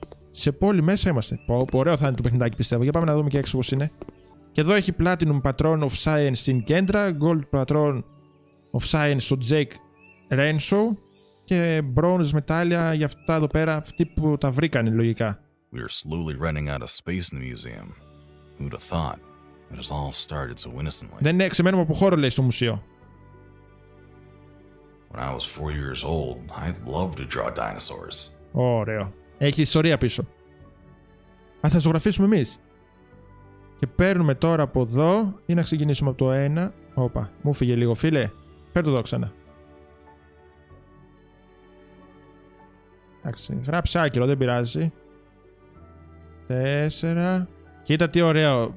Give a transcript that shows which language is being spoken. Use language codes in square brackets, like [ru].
[el] Σε πόλη μέσα είμαστε. Ωραίο θα είναι το παιχνιδάκι πιστεύω. Για πάμε να δούμε και έξω πως είναι. Και εδώ έχει [en] Platinum Patron of Science [el] στην Κέντρα. [en] Gold Patron of Science [el] στο Jake Renshaw. Και bronze μετάλλια για αυτά εδώ πέρα, αυτοί που τα βρήκανε λογικά. [en] We are slowly running out of space in the museum. Who'd have thought? It has all started so innocently. [el] Δεν είναι, ξεμένουμε από χώρο λέει στο μουσείο. [en] When I was 4 years old, I loved to draw dinosaurs. [el] Ωραίο. Έχει ιστορία πίσω. Α, θα ζωγραφίσουμε εμείς. Και παίρνουμε τώρα από εδώ ή να ξεκινήσουμε από το 1. Όπα, μου φύγε λίγο φίλε. Φέρ' το εδώ ξανά. Εντάξει, γράψε άκυρο, δεν πειράζει. 4. Κοίτα τι ωραίο.